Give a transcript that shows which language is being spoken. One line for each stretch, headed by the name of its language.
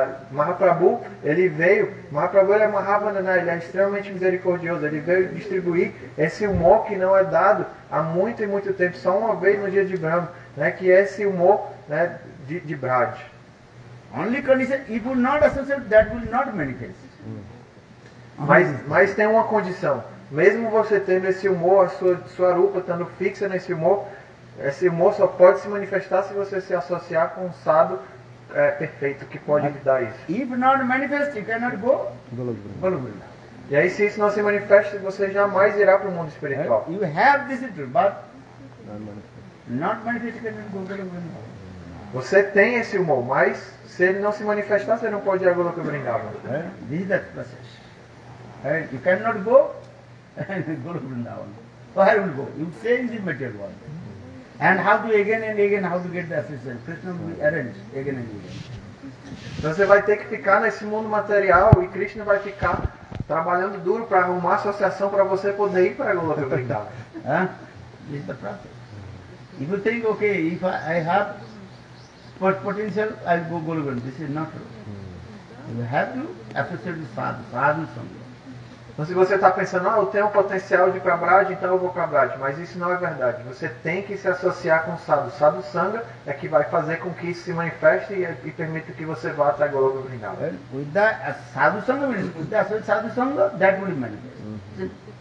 Portuguese: Mahaprabhu, ele veio. Mahaprabhu é Mahavandana, ele é extremamente misericordioso. Ele veio distribuir esse humor que não é dado há muito e muito tempo, só uma vez no dia de Brahma, né, que é esse humor, né, de Braj.
English: Only condition, if you not associate, that will not manifest.
Portuguese: Mas tem uma condição. Mesmo você tendo esse humor, a sua rupa estando fixa nesse humor, esse humor só pode se manifestar se você se associar com um sábio perfeito que pode lhe dar isso.
English: If not manifest, you cannot go.
Portuguese: E aí, se isso não se manifesta, você jamais irá para o mundo espiritual.
English: You have this truth, but not manifest, you cannot go.
Portuguese: Você tem esse humor, mas se ele não se manifestar, você não pode ir a Goloka Vrindavan.
English: This is that process. You cannot go and go to Vrindavan. Where will go? You say in the material world. And how to again and again how to get the assistance? Krishna will arrange again and again.
Portuguese: Então você vai ter que ficar nesse mundo material e Krishna vai ficar trabalhando duro para arrumar associação para você poder ir para Goloka
English: Vrindavan. It's the process. If you think, okay, if I have potential, I'll go Goloka Vrindavan. This is not true. You have to associate with sadhu, sadhu something.
Portuguese: Então, se você está pensando, eu tenho um potencial de ir para Braj, então eu vou para Braj. Mas isso não é verdade. Você tem que se associar com o sadhu. O sadhu sangha é que vai fazer com que isso se manifeste e permita que você vá até a Goloka Vrindavan.
English: Sadhu sangha, sadhu sangha, that will manifest.